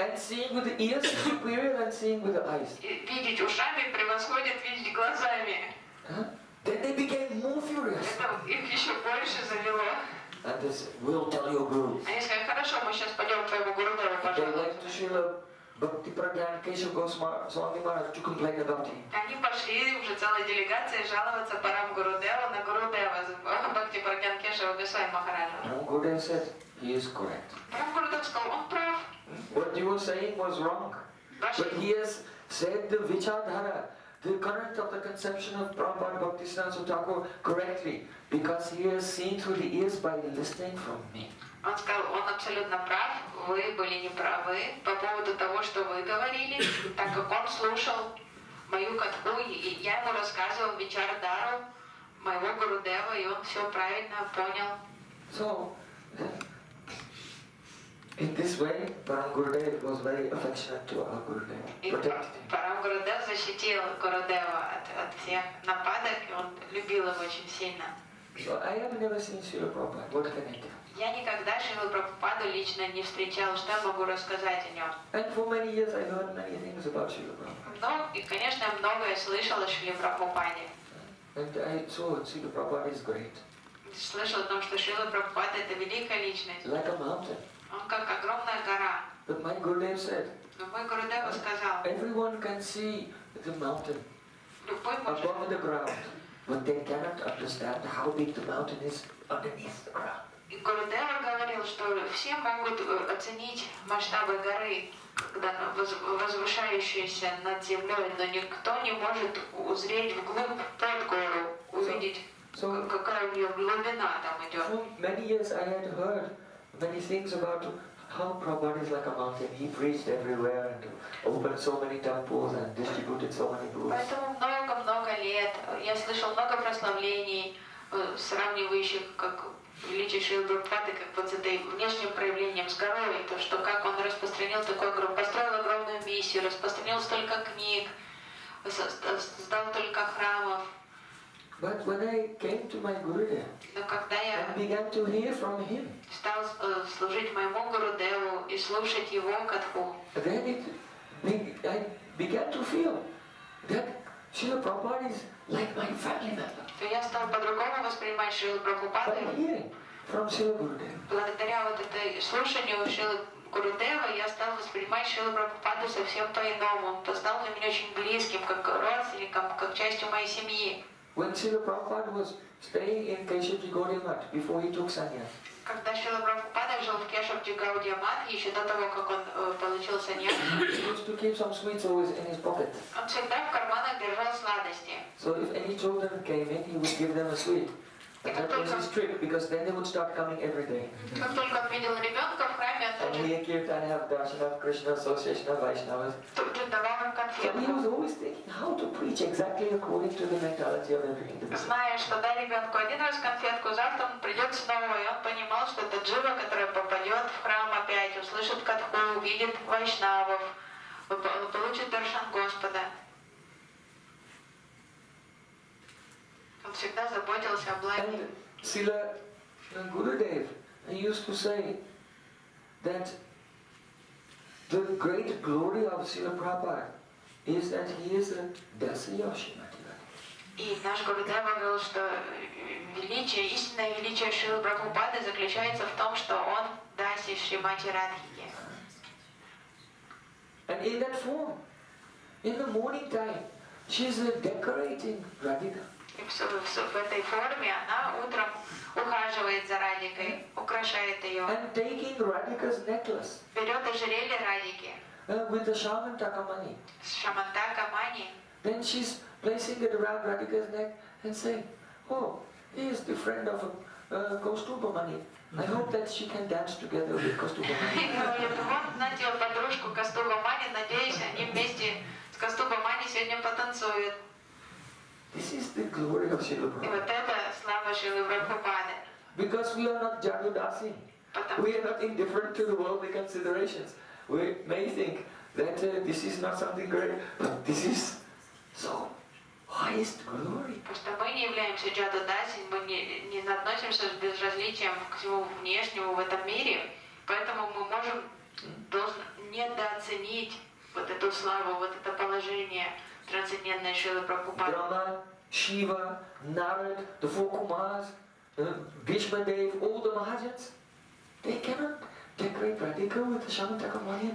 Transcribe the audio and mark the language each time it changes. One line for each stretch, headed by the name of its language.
English: And seeing with the ears is superior than seeing with the eyes.
Russian: Видеть ушами превосходит видеть глазами.
English: Then they became more furious.
Russian: Их еще больше завело.
English: And they said, we'll tell your guru.
Russian: Они сказали, хорошо, мы сейчас пойдем к твоему гуру, пожалуйста.
English: Bhakti Pradhan Keshav Goswami Maharaj to complain about him.
Russian: Они пошли уже целая делегация жаловаться Парам Гурудева на Гурудева Бхакти Прагьян Кешава Госвами Махараджа.
English: Парам Гурудев said he is correct.
Russian: Парам Гурудев сказал, он прав.
English: What you were saying was wrong. But he has said the Vichardhara, the current of the conception of Prabhupada Bhaktisiddhanta Thakur correctly, because he has seen through the ears by listening from me.
Russian: Он сказал, он абсолютно прав, вы были неправы по поводу того, что вы говорили, так как он слушал мою катху, и я ему рассказывал Вичардару, моего Гурудева, и он все правильно понял.
English: So, in this way, Param Gurudev was very affectionate to our Gurudev, protected him.
Russian: Param Gurudev защитил Гурудева от всех нападок, и он любил его очень сильно.
English: So, I have never seen Srila Prabhupada, what can I tell?
Russian: Я никогда Шрилу Прабхупаду лично не встречал, что могу рассказать о нем.
English: And for many years I heard many things about Шрилу Прабхупаду.
Russian: Ну, и, конечно, многое слышал о Шриле Прабхупаде.
English: And I saw that Шрила Прабхупада is great.
Russian: Слышал о том, что Шрила Прабхупада это великая личность.
English: Like a mountain.
Russian: Он как огромная гора.
English: But my Gurudev said.
Russian: Но мой Гурудева сказал.
English: Everyone can see the mountain above the ground, but they cannot understand how big the mountain is underneath the ground.
Russian: И Гурудева говорил, что все могут оценить масштабы горы, возвышающиеся над землей, но никто не может узреть вглубь под гору, увидеть, какая у нее глубина там идет.
English: For many years I had heard many things about how Prabhupada is like a mountain. He preached everywhere and opened so many temples and distributed so many books.
Russian: Поэтому много лет я слышал много прославлений, сравнивающих как величие Шрилы Прабхупады, как вот с этой внешним проявлением, с горой, то, что как он распространил такой гроб, построил огромную миссию, распространил столько книг, создал столько храмов.
English: But when I came to my Gurudev, and began to hear from him,
Russian: стал служить моему Гурудеву и слушать его катху,
English: then I began to feel that Шрила Прабхупада is like my family member.
Russian: То я стал по-другому воспринимать Шрилу Прабхупаду.
English: By hearing from Шрила Гурудев.
Russian: Благодаря вот этой слушанию Шрилы Гурудева я стал воспринимать Шрилу Прабхупаду совсем по-иному. Он стал для меня очень близким, как родственником, как частью моей семьи.
English: When Srila Prabhupada was staying in Keshavji Gaudiya Math before he took sannyas.
Russian: Когда Шрила Прабхупада жил в Кешавджи Гаудия Мат, еще до того, как он получил сannyas,
English: he used to keep some sweets always in his pocket.
Russian: Он всегда в карманах держал сладости.
English: So if any children came in, he would give them a sweet. And that was his trick, because then they would start coming every day.
Russian: Как только он видел ребенка в храме, он тоже...
English: And he kept and have darshana of Krishna association of Vaishnavas. And he was always thinking how to preach exactly according to the mentality of every individual.
Russian: Зная, что дай ребенку один раз конфетку, завтра он придет снова, и он понимал, что это джива, которая попадет в храм опять, услышит катху, увидит вайшнавов, получит даршан Господа.
English: And Srila Gurudev, he used to say that the great glory of Srila Prabhupada is that he is the Dasa Yashi Mati.
Russian: И наш Гурудева говорил, что величие, истинное величие Шрилы Прабхупады заключается в том, что он Даси Шримати Радхике.
English: And in that form, in the morning time, she is decorating Radhika.
Russian: И в этой форме она утром ухаживает за Радикой, украшает ее.
English: And taking Radhika's necklace.
Russian: Берет ожерелье Радики.
English: With the shaman takamani.
Russian: С шаман такамани.
English: Then she's placing it around Radhika's neck and saying, "Oh, he is the friend of Kaustubha Mani. I hope that she can dance together with Kaustubha Mani."
Russian: И говорит, вот, знаете, подружку Kaustubha Mani, надеюсь, они вместе с Kaustubha Mani сегодня потанцуют.
English: This is the glory of Srila Prabhupada. Because we are not Jadudasi. We are not indifferent to the worldly considerations. We may think that this is not something great, but this is so highest glory.
Russian: Потому что мы не являемся Джадудаси, мы не относимся с безразличием к всему внешнему в этом мире, поэтому мы можем недооценить вот эту славу, вот это положение трансцендентной Шрилы Прабхупады.
English: Брама, Шива, Нарад, the four Kumars, Бхишма Дев, all the Mahajans, they cannot decorate Radhika with Shama Takamani.